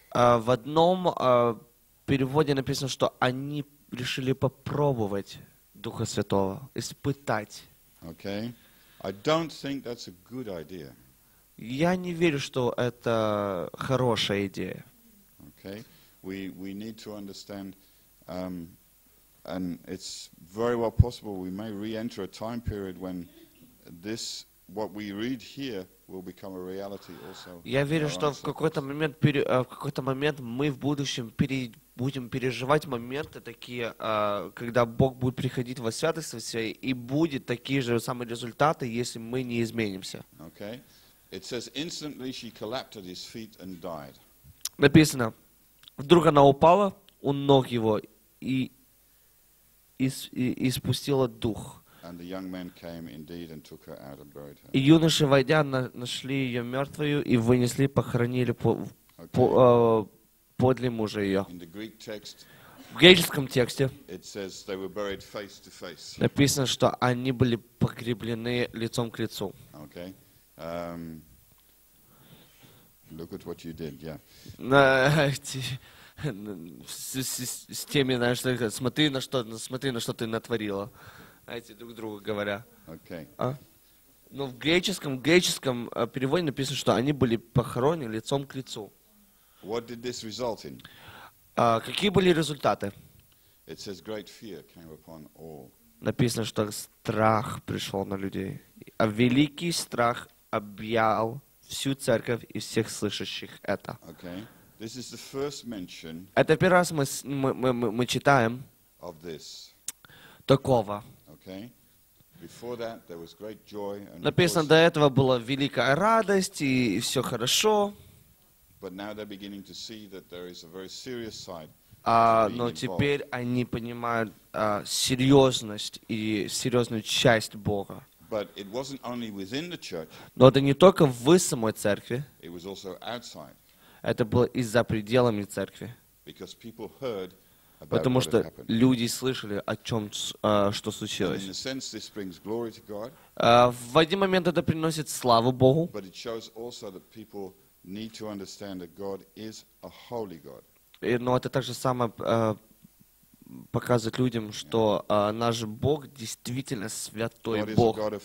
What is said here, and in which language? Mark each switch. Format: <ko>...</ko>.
<ru>В одном переводе написано, что они решили попробовать Духа Святого, испытать.</ru> <en>Okay. I don't think that's a good idea.</en> <ru>Я не верю, что это хорошая идея.</ru> <en>Okay. We need to understand, and it's very well possible we may re-enter a time period when this what we read here will become a reality also.</en> <ru>Я верю, что в какой-то момент мы в будущем будем переживать моменты такие, когда Бог будет приходить во святость своей, и будет такие же самые результаты, если мы не изменимся.</ru> <en>Okay. It says instantly she collapsed at his feet and died.</en> <ru>Написано: вдруг она упала у ног его и испустила дух.</ru> <en>And the young men came indeed and took her out and buried her.</en> <ru>И юноши, войдя, нашли ее мертвую и вынесли, похоронили подле мужа ее.</ru> <en>In the Greek text,</en> <ru>в греческом тексте</ru> <en>it says they were buried face to face.</en> <ru>Написано, что они были погреблены лицом к лицу.</ru> <en>Okay. Look at what you did, yeah.</en> <ru>с теми, знаешь, смотри на что ты натворила, эти друг другу говоря.</ru> <en>Okay.</en> <ru>Но в греческом переводе написано, что они были похоронены лицом к лицу.</ru> <en>What did this result in?</en> <ru>Какие были результаты?</ru> <en>It says great fear came upon all.</en> <ru>Написано, что страх пришел на людей, а великий страх объял всю церковь и всех слышащих это.</ru> <en>Okay. This is the first mention.</en> <ru>Это первый раз мы читаем</ru> <en>of this.</en> <ru>Такого.</ru> <en>Okay. Before that, there was great joy and rejoicing.</en> <ru>Написано, до этого была великая радость и все хорошо.</ru> <en>But now they're beginning to see that there is a very serious side.</en> <ru>Но теперь они понимают серьезность и серьезную часть Бога.</ru> <en>But it wasn't only within the church.</en> <ru>Но это не только в самой церкви.</ru> <en>It was also outside.</en> <ru>Это было и за пределами церкви.</ru> <en>Because people heard about what happened.</en> <ru>Потому что люди слышали о чем, что случилось.</ru> <en>In a sense, this brings glory to God.</en> <ru>В один момент это приносит славу Богу.</ru> <en>But it shows also that people need to understand that God is a holy God.</en> <ru>Но это также самое показывать людям, что наш Бог действительно святой Бог.</ru>